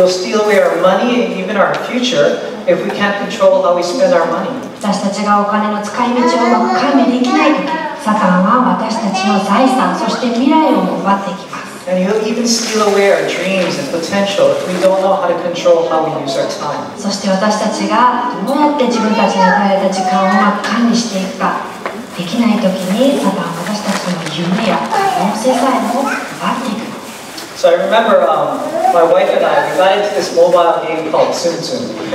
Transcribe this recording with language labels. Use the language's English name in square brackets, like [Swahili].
[English] He'll steal away our money and even our future if we can't control how we spend our money. [Japanese] 私たちがお金の使い道をうまく管理できないとき、サタンは私たちの財産、そして未来を奪っていきます。 [English] And he'll even steal away our dreams and potential if we don't know how to control how we use our time. [Japanese] そして私たちがどうやって自分たちの与えた時間をうまく管理していくかできないときに、サタンは私たちの夢や音声さえも奪っていく。 [English] So I remember my wife and I, we got into this mobile game called Tsum Tsum.